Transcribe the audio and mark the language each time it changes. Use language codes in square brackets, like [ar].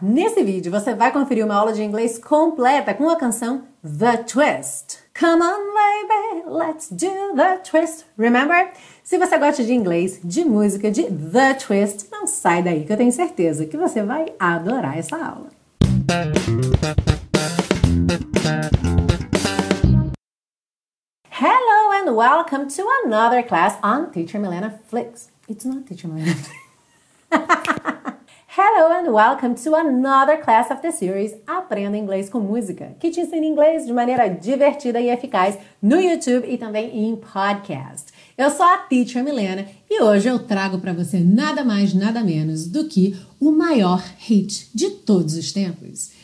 [pt] Nesse vídeo você vai conferir uma aula de inglês completa com a canção The Twist. [en] Come on, baby, let's do the twist, remember? [pt] Se você gosta de inglês, de música, de The Twist, não sai daí que eu tenho certeza que você vai adorar essa aula. [en] Hello and welcome to another class on Teacher Milena Flicks. It's not Teacher Milena Flicks. Hello and welcome to another class of the series [pt] Aprenda Inglês com Música, que te ensina inglês de maneira divertida e eficaz no YouTube e também em podcast. Eu sou a Teacher Milena e hoje eu trago para você nada mais, nada menos do que o maior hit de todos os tempos.